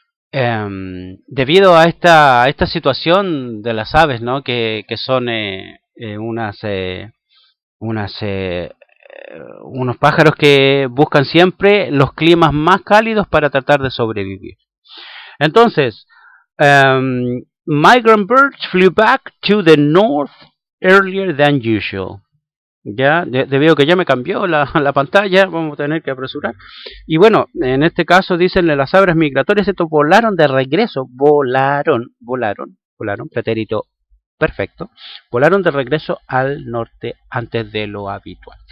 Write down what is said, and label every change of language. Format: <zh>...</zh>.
<es>Debido a esta situación de las aves, ¿no? Que son unos pájaros que buscan siempre los climas más cálidos para tratar de sobrevivir.</es> <en>Entonces, migrant birds flew back to the north earlier than usual.</en> <es>Ya, debido a que ya me cambió la pantalla, vamos a tener que apresurar. Y bueno, en este caso dicen las aves migratorias, estos volaron de regreso, volaron, pretérito perfecto, volaron de regreso al norte antes de lo habitual.</es>